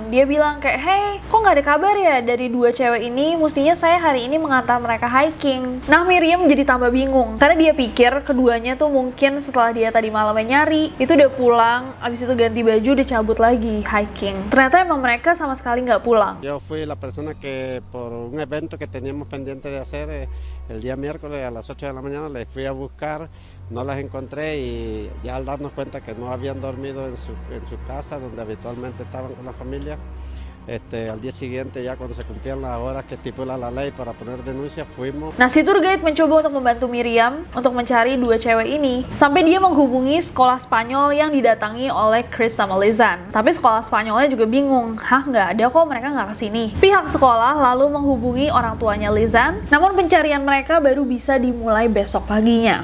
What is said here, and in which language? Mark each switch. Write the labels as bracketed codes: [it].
[id] Dia bilang kayak, hey kok gak ada kabar ya dari dua cewek ini, mestinya saya hari ini mengantar mereka hiking. Nah, Miriam jadi tambah bingung karena dia pikir keduanya tuh mungkin setelah dia tadi malamnya nyari itu udah pulang, abis itu ganti baju udah cabut lagi hiking. Ternyata emang mereka sama sekali nggak pulang. [es] Yo fui la persona que por un evento que teníamos pendiente de hacer el día miércoles a las 8 de la mañana les fui a buscar, no las encontré y ya al darnos cuenta que no habían dormido en su casa donde habitualmente estaban con la familia. Al día siguiente ya cuando se cumplían las horas que estipula la ley para poner denuncia fuimos. [id] Nah, si tour guide mencoba untuk membantu Miriam untuk mencari dua cewek ini sampai dia menghubungi sekolah Spanyol yang didatangi oleh Chris sama Lizanne. Tapi sekolah Spanyolnya juga bingung, hah nggak ada kok, mereka nggak kesini. Pihak sekolah lalu menghubungi orang tuanya Lizanne, namun pencarian mereka baru bisa dimulai besok paginya.